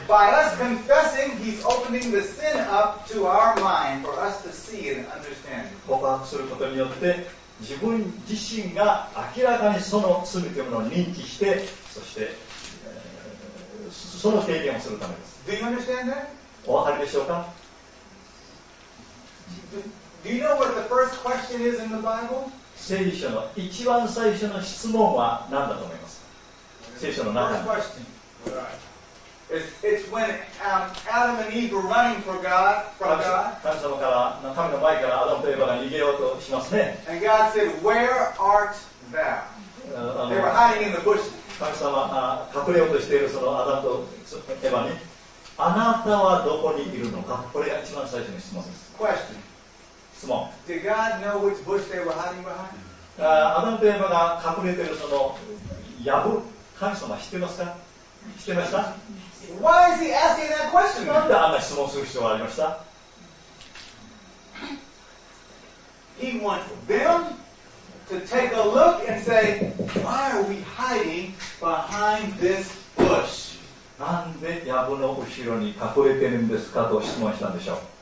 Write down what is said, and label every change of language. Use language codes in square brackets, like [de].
[en] By us confessing, he's opening the sin up to our mind for us to see and understand. [ja] 告白することによって、自分自身が明らかにその罪というものを認知して、そして、その経験をするためです。 [en] Do you understand that? [ja] お分かりでしょうか？ [en] Do you know what the first question is in the Bible? [ja] 聖書の一番最初の質問は何だと思いますか？聖書の中 [en] に。Right. It's when Adam and Eve were running for God, from God. [ja] 神様から、神の前からアダムとエヴァが逃げようとしますね。 [en] And God said, where art thou? They were hiding in the bushes. [ja] 神様が隠れようとしているそのアダムとエヴァに、あなたはどこにいるのか？これが一番最初の質問です。 [en] Question. Did God know which bush they were hiding behind? [ja] アダムとエヴァが隠れているそのヤブ、神様知ってますか？知ってました？ [en] Why is he asking that question? [ja] なんであんな質問する必要がありました？ [en] He wants them to take a look and say, why are we hiding behind this bush? [ja] なんでヤブの後ろに隠れているんですかと質問したんでしょう。